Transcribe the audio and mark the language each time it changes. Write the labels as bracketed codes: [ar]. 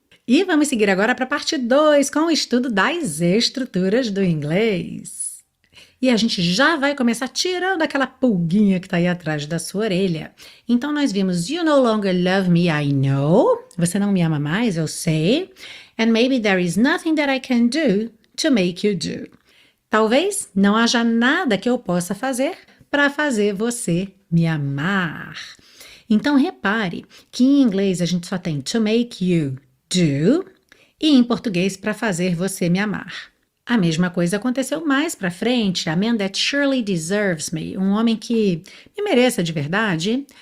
[pt] E vamos seguir agora para a parte 2 com o estudo das estruturas do inglês. E a gente já vai começar tirando aquela pulguinha que está aí atrás da sua orelha. Então nós vimos [en] You no longer love me, I know. [pt] Você não me ama mais, eu sei. [en] And maybe there is nothing that I can do to make you do. [pt] Talvez não haja nada que eu possa fazer para fazer você me amar. Então repare que em inglês a gente só tem [en] to make you do [pt] e em português para fazer você me amar. A mesma coisa aconteceu mais para frente. [en] A man that surely deserves me, [pt] um homem que me mereça de verdade.